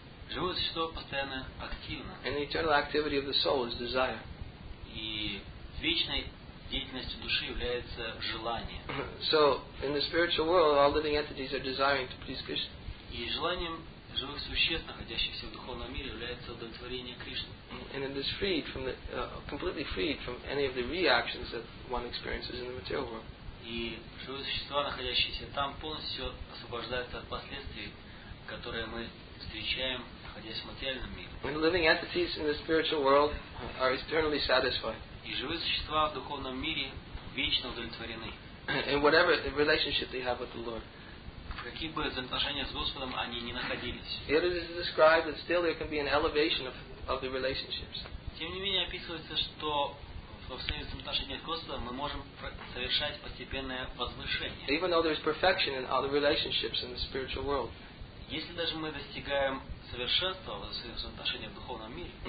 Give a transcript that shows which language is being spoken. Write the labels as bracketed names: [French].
[Russian] Живое существо постоянно активно. [English] And the eternal activity of the soul is desire. [Russian] И вечной деятельностью души является желание. [English] So in the spiritual world, all living entities are desiring to please Krishna. [Russian] И желанием живых существ, находящихся в духовном мире, является удовлетворение Кришны. [English] And it is freed from the, completely freed from any of the reactions that one experiences in the material world. [Russian] И живые существа, находящиеся там, полностью освобождаются от последствий, которые мы встречаем, находясь в материальном мире. [English] When living entities in the spiritual world are eternally satisfied. [Russian] И живые существа в духовном мире вечно удовлетворены. [English] In whatever relationship they have with the Lord. [Russian] Какие бы взаимоотношения с Господом они ни находились. [English] It is described that still there can be an elevation of the relationships. [Russian] Тем не менее описывается, что в своих взаимоотношениях с Господом мы можем совершать постепенное возвышение. [English] Even though there is perfection in all the relationships in the spiritual world. [Russian] Если даже мы достигаем совершенства в своих взаимоотношениях в духовном мире.